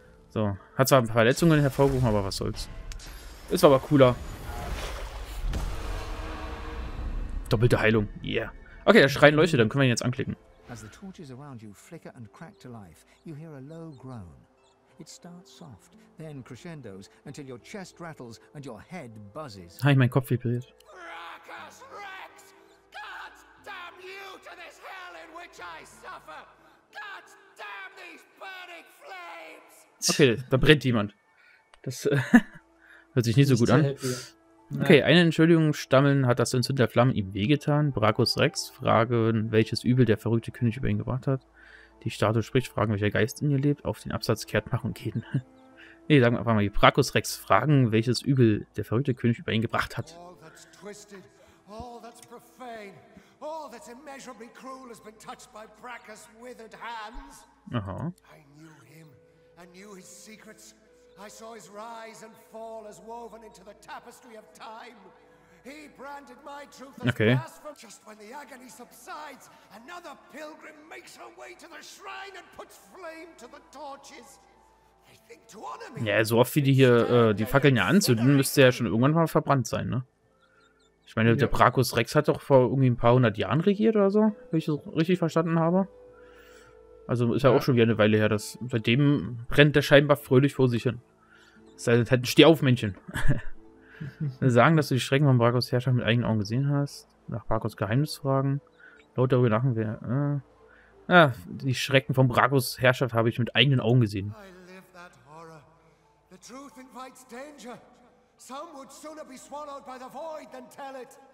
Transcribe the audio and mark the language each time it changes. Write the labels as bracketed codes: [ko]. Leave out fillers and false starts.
[de] So, hat zwar Verletzungen hervorgerufen, aber was soll's. Ist aber cooler. Doppelte Heilung. Yeah. Okay, der Schrein leuchtet, dann können wir ihn jetzt anklicken. [en] As the torches around you flicker and crack to life, you hear a low groan. It starts soft, then crescendos until your chest rattles and your head buzzes. [de] Hi, mein Kopf vibriert. Rakus Rex! [en] God damn you to this hell in which I suffer! God damn these burning flames! [de] Okay, da brennt jemand. Das hört sich nicht so gut an. Okay, eine Entschuldigung stammeln, hat das Entzünden der Flammen ihm wehgetan? Brachus Rex, fragen, welches Übel der verrückte König über ihn gebracht hat. Die Statue spricht, fragen, welcher Geist in ihr lebt. Auf den Absatz kehrt machen und gehen. Nee, sagen wir einfach mal, Brachus Rex, fragen, welches Übel der verrückte König über ihn gebracht hat. [en] All that's twisted, all that's profane, all that's immeasurably cruel has been touched by Brachus' withered hands. Aha. I knew him. I knew his secrets. I saw his rise and fall as woven into the tapestry of time. He branded my truth as blasphemy. Just when the agony subsides, another pilgrim makes her way to the shrine and puts flame to the torches. I think to honor me. [de] Ja, so oft wie die hier die Fackeln ja anzünden, müsste er ja schon irgendwann mal verbrannt sein, ne? Ich meine, der Brachus Rex hat doch vor irgendwie ein paar hundert Jahren regiert oder so, wenn ich das richtig verstanden habe. Also ist ja auch schon wieder eine Weile her, dass bei dem brennt der scheinbar fröhlich vor sich hin. Das heißt, halt ein Stehaufmännchen. Sagen, dass du die Schrecken von Brachus Herrschaft mit eigenen Augen gesehen hast. Nach Brachus Geheimnis fragen. Laut darüber lachen wir. Die Schrecken von Brachus Herrschaft habe ich mit eigenen Augen gesehen. [en] I live that horror. The truth invites danger. Some would sooner be swallowed by the void than tell it.